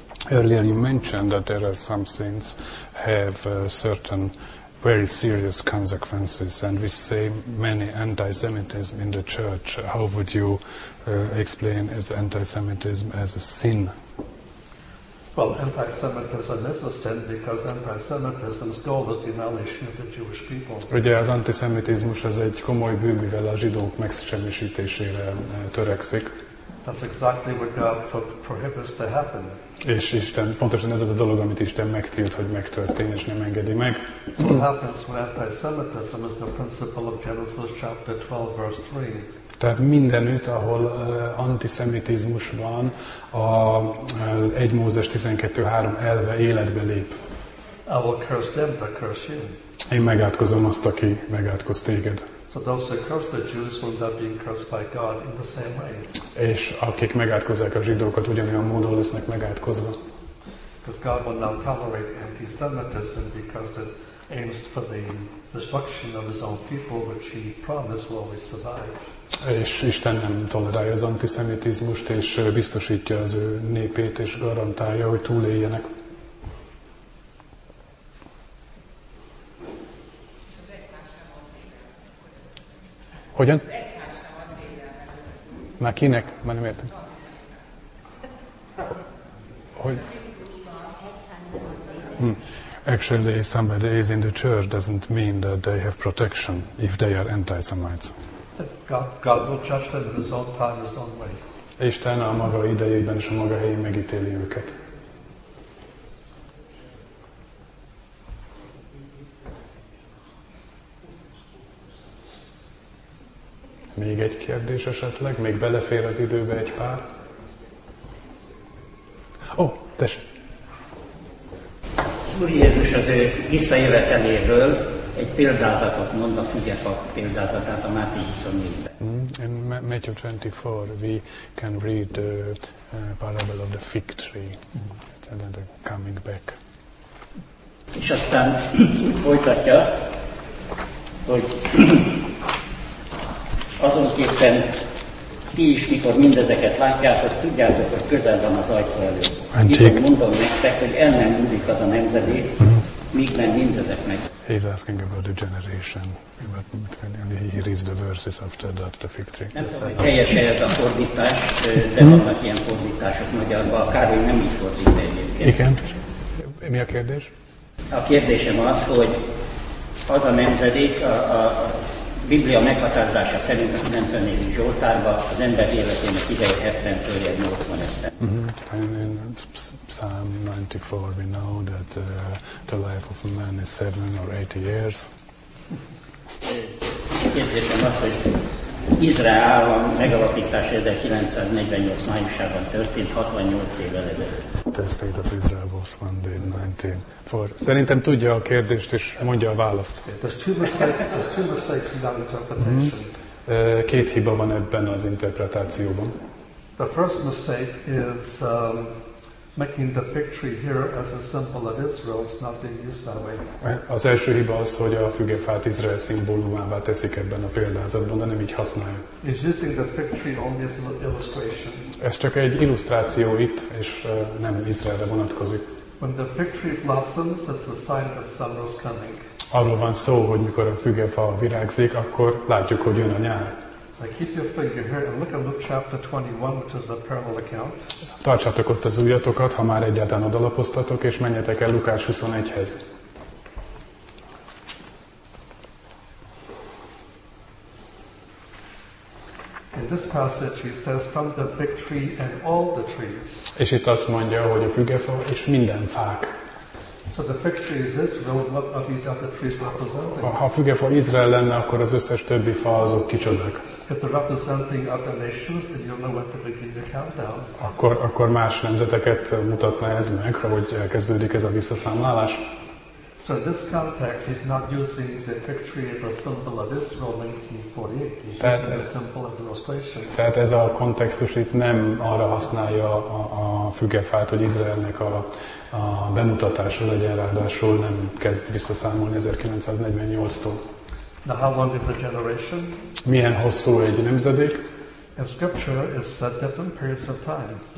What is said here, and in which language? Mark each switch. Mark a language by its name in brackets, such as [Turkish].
[English] Earlier you mentioned that there are some sins have certain very serious consequences, and we see many anti-Semitism in the church. How would you explain as anti-Semitism as a sin? Well, anti-Semitism is a sin because anti-Semitism's goal is the annihilation of the Jewish people. [Hungarian] Ugye az antiszemitizmus az egy komoly bűn, mivel a zsidók megsemmisítésére törekszik. [English] That's exactly what God prohibits to happen. [Hungarian] És Isten, pontosan ez az a dolog, amit Isten megtilt, hogy megtörténjen, és nem engedi meg. [English] What happens when anti-Semitism is the principle of Genesis chapter 12, verse 3? [Hungarian] Tehát mindenütt, ahol antiszemitizmus van, a 1 Mózes 12.3 elve életbe lép. [English] I will curse them that curse you. [Hungarian] Én megátkozom azt, aki megátkoz téged. [English] So those who curse the Jews will end up being cursed by God in the same way. [Hungarian] És akik megátkozzák a zsidókat, ugyanolyan módon lesznek megátkozva. [English] Because God will not tolerate anti-Semitism because it aims for the destruction of his own people, which he promised will always survive. [Hungarian] És Isten nem tolerálja az antiszemitizmust, és biztosítja az ő népét, és garantálja, hogy túléljenek. Hogyan? Már kinek? Már nem értem. Hogy? [English] Actually, somebody is in the church doesn't mean that they have protection if they are anti-Semites. God will judge them in his own time, his own way. [Hungarian] Isten a maga idejében és a maga helyén megítéli őket. Még egy kérdés esetleg? Még belefér az időbe egy pár? Ó, tessék! Úr Jézus az ő visszajöveteléből egy példázatot mond, a fügefa példázatát a Máté 24-ben. [English] In Matthew 24 we can read the parable of the fig tree, and then coming back. [Hungarian] És aztán úgy folytatja, hogy azonképpen ti is, mikor mindezeket látjátok, tudjátok, hogy közel van az ajtó előtt. Mondom nektek, hogy el nem múlik az a nemzedék, míg nem mindezek meg. [English] He's asking about the generation, but he reads the verses after that, the fig tree. [Hungarian] Helyes ez a fordítás, de vannak ilyen fordítások magyarban, a Károly nem így fordít egyébként. Igen. Mi a kérdés? A kérdésem az, hogy az a nemzedék, a Biblia meghatározása szerint a 94. Zsoltárban az ember életének ideje 70-től 80 esztendő. [English] Psalm 94, we know that the life of a man is 7 or 8 years. [Hungarian] Kérdésem az, hogy Izrael állam megalapítása 1948. májusában történt, 68 évvel ezelőtt. [English] The state of Israel was founded in 1994. [Hungarian] Szerintem tudja a kérdést és mondja a választ. [English] There's two mistakes in that interpretation. [Hungarian] Két hiba van ebben az interpretációban. [English] The first mistake is making the fig tree here as a symbol of Israel, it's not being used that way. [Hungarian] Az első hiba az, hogy a fügefát Izrael szimbólumává teszik ebben a példázatban, de nem így használja. [English] It's using the fig tree only as an illustration. [Hungarian] Ez csak egy illusztráció itt, és nem Izraelre vonatkozik. [English] When the fig tree blossoms, it's a sign that summer is coming. [Hungarian] Arról van szó, hogy mikor a fügefa virágzik, akkor látjuk, hogy jön a nyár. [English] Keep your finger here and look at Luke chapter 21, which is a parable account. [Hungarian] Tartsátok ott az ujjatokat, ha már egyáltalán odalapoztatok, és menjetek el Lukás 21-hez. [English] in this passage he says from the fig tree and all the trees. [Hungarian] És itt azt mondja, hogy a fügefa és minden fák. [English] So the fig tree is Israel, what are these other trees representing? [Hungarian] Ha a fügefa Izrael lenne, akkor az összes többi fa azok kicsodák. [English] If they're representing other nations, then you'll know what to begin to count down. [Hungarian] Akkor más nemzeteket mutatna ez meg, hogy elkezdődik ez a visszaszámlálás. [English] So in this context, he's not using the fig tree as a symbol of Israel 1948, he's using the symbol as the illustration. [Hungarian] Tehát ez a kontextus itt nem arra használja a fügefát, hogy Izraelnek a bemutatása legyen, ráadásul nem kezd visszaszámolni 1948-tól. [English] Now how long is a generation? [Hungarian] Milyen hosszú egy nemzedék? [English] In scripture is set different periods of time.